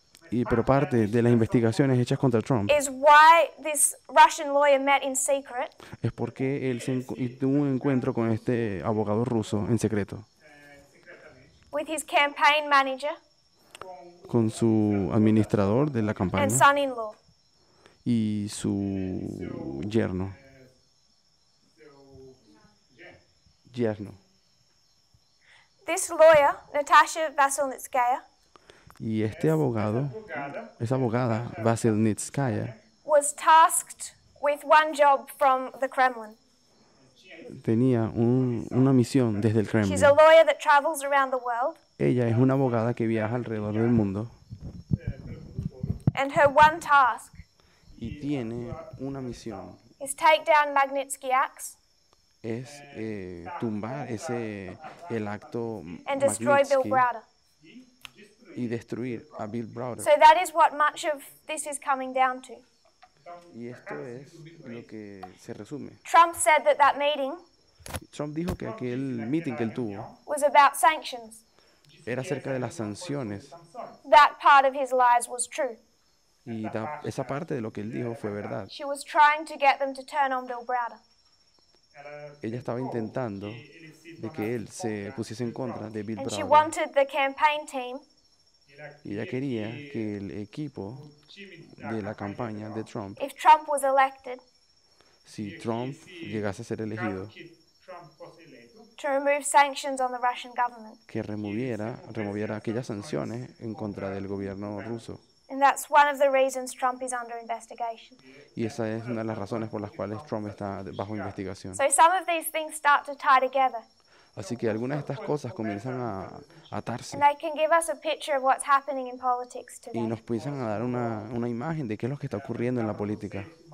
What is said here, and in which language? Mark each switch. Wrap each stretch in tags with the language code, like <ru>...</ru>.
<es>Pero parte de las investigaciones hechas contra Trump.</es> <en>Is why this Russian lawyer met in secret.</en> <es>Es porque él tuvo un encuentro con este abogado ruso en secreto.</es> <en>With his campaign manager.</en> <es>Con su administrador de la campaña.</es> <en>And son-in-law.</en> <es>Y su yerno. Yerno.</es> <en>This lawyer, Natasha Vasilnitskaya,</en> <es>y este abogado, esa abogada, Vasilnitskaya,</es> <en>was tasked with one job from the Kremlin.</en> <es>Tenía una misión desde el Kremlin.</es> <en>She's a lawyer that travels around the world.</en> <es>Ella es una abogada que viaja alrededor del mundo.</es> <en>And her one task.</en> <es>Y tiene una misión.</es> <en>Is take down Magnitsky Acts.</en> <es>Es tumbar ese el acto</es> <en>and destroy Magnitsky Bill Browder.</en> <es>Y destruir a Bill Browder.</es> <en>So that is what much of this is coming down to.</en> <es>Y esto es lo que se resume.</es> <en>Trump said that that meeting.</en> <es>Trump dijo que aquel meeting que él tuvo</es> <en>was about sanctions.</en> <es>Era acerca de las sanciones.</es> <en>That part of his lies was true.</en> <es>Y esa parte de lo que él dijo fue verdad.</es> <en>She was trying to get them to turn on Bill Browder.</en> <es>Ella estaba intentando de que él se pusiese en contra de Bill Browder.</es> <en>And she wanted the campaign team.</en> <es>Y ella quería que el equipo de la campaña de Trump,</es> <en>if Trump was elected,</en> <es>si Trump llegase a ser elegido,</es> <en>to remove sanctions on the Russian government.</en> <es>Que removiera aquellas sanciones en contra del gobierno ruso.</es> <en>And that's one of the reasons Trump is under investigation.</en> <es>Y esa es una de las razones por las cuales Trump está bajo investigación.</es> <en>So some of these things start to tie together.</en> <es>Así que algunas de estas cosas comienzan a atarse.</es> <en>And they can give us a picture of what's happening in politics today.</en> <es>Y nos comienzan a dar una imagen de qué es lo que está ocurriendo en la política.</es>